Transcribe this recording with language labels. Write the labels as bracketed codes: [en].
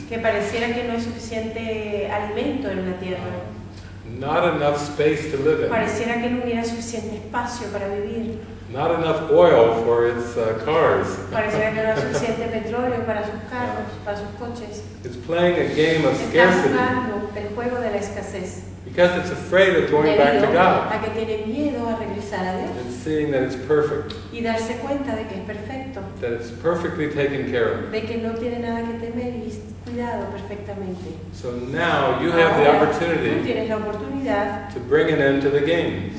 [es] que pareciera que no hay suficiente alimento en la tierra, [en] not enough space to live in, [es] pareciera que no hubiera suficiente espacio para vivir, [en] not enough oil for its cars. [es] Pareciera que no hay suficiente petróleo para sus carros, para sus coches. [en] It's playing a game of scarcity. [es] Está jugando el juego de la escasez. [en] Because it's afraid of going back to God. [es] A que tiene miedo a regresar a Dios. [en] And seeing that it's perfect. [es] Y darse cuenta de que es perfecto. [en] That it's perfectly taken care of. [es] De que no tiene nada que temer y cuidado perfectamente. [en] So now you have the opportunity. [es] Tú tienes la oportunidad. [en] To bring an end to the game.